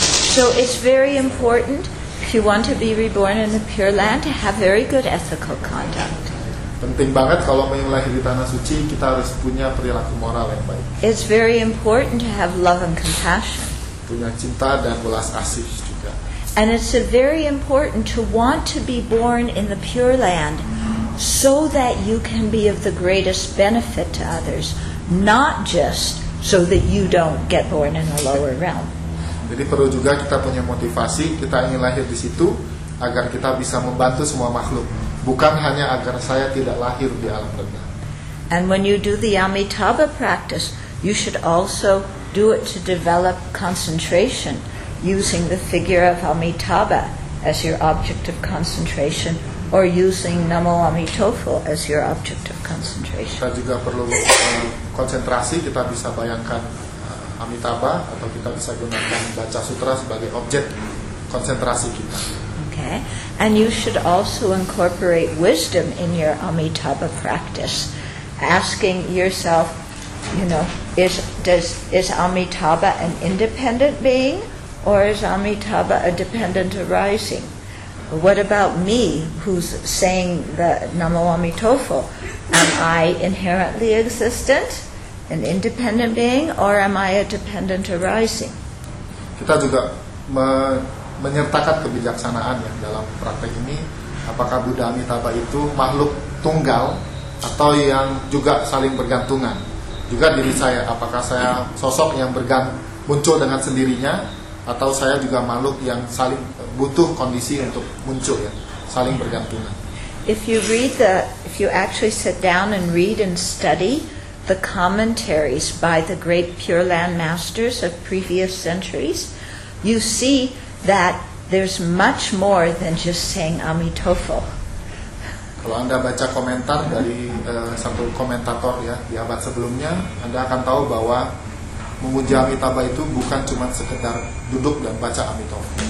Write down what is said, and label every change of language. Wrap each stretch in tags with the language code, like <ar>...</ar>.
<en>So it's very important if you want to be reborn in the pure land to have very good ethical conduct.</en> <id>Penting banget kalau mau lahir di tanah suci, kita harus punya perilaku moral yang baik.</id> <en>It's very important to have love and compassion.</en> <id>Punya cinta dan belas kasih juga.</id> <en>And it's very important to want to be born in the pure land so that you can be of the greatest benefit to others, not just so that you don't get born in a lower realm.</en> <id>Jadi perlu juga kita punya motivasi, kita ingin lahir di situ agar kita bisa membantu semua makhluk, bukan hanya agar saya tidak lahir di alam rendah.</id> <en>And when you do the Amitabha practice, you should also do it to develop concentration, using the figure of Amitabha as your object of concentration, or using Namo Amitofo as your object of concentration.</en> <id>Kita juga perlu konsentrasi, kita bisa bayangkan Amitabha, atau kita bisa gunakan baca sutra sebagai objek konsentrasi kita.</id> <en>Okay, and you should also incorporate wisdom in your Amitabha practice, asking yourself, you know, is Amitabha an independent being, or is Amitabha a dependent arising? What about me, who's saying the Namo Amitofo? Am I inherently existent, an independent being, or am I a dependent arising?</en> <id>Kita juga menyertakan kebijaksanaan yang dalam praktek ini, apakah Buddha Amitabha itu makhluk tunggal atau yang juga saling bergantungan? Juga diri saya, apakah saya sosok yang muncul dengan sendirinya, atau saya juga makhluk yang saling butuh kondisi untuk muncul, ya, saling bergantungan.</id> <en>If you actually sit down and read and study the commentaries by the great Pure Land masters of previous centuries, you see that there's much more than just saying Amitofo.</en> <id>Kalau Anda baca komentar dari satu komentator, ya, di abad sebelumnya, Anda akan tahu bahwa memuja Amitabha itu bukan cuma sekedar duduk dan baca Amitabha.</id>